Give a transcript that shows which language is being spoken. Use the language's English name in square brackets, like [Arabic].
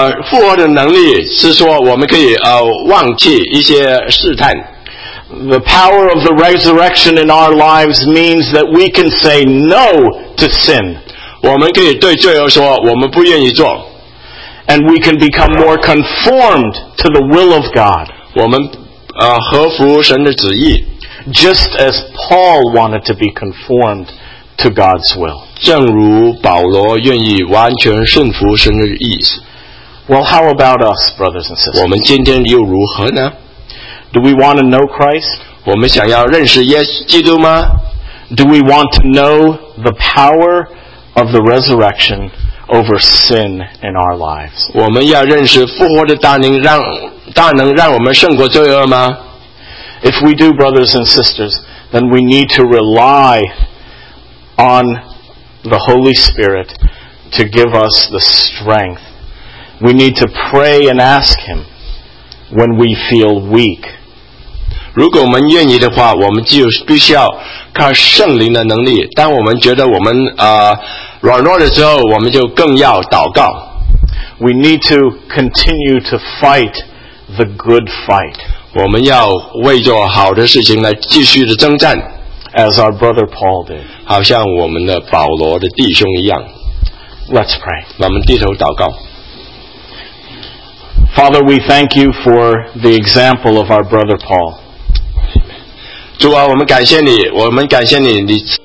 [Chinese] 复活的能力是说我们可以忘记一些试探。 [English] The power of the resurrection in our lives means that we can say no to sin. [Chinese] 我们可以对罪恶说我们不愿意做。 [English] And we can become more conformed to the will of God. [Chinese] 我们合乎神的旨意。 [English] Just as Paul wanted to be conformed to God's will. [Chinese] 正如保罗愿意完全顺服神的意思。 [English] Well, how about us, brothers and sisters? [Chinese] 我们今天又如何呢？ [English] Do we want to know Christ? [Chinese] 我们想要认识耶稣基督吗？ [English] Do we want to know the power of the resurrection over sin in our lives? [Chinese] 我们要认识复活的大能让我们胜过罪恶吗？ [English] If we do, brothers and sisters, then we need to rely on the Holy Spirit to give us the strength. We need to pray and ask Him when we feel weak. [Chinese] 如果我们愿意的话，我们就必须要靠圣灵的能力。当我们觉得我们软弱的时候，我们就更要祷告。 [English] We need to continue to fight the good fight. [Chinese] 我们要为做好的事情来继续的征战 [English] as our brother Paul did. [Chinese] 好像我们的保罗的弟兄一样 [English] Let's pray. [Chinese] 我们低头祷告 [English] Father, we thank you for the example of our brother Paul. [Chinese] 主啊，我们感谢你，我们感谢你，你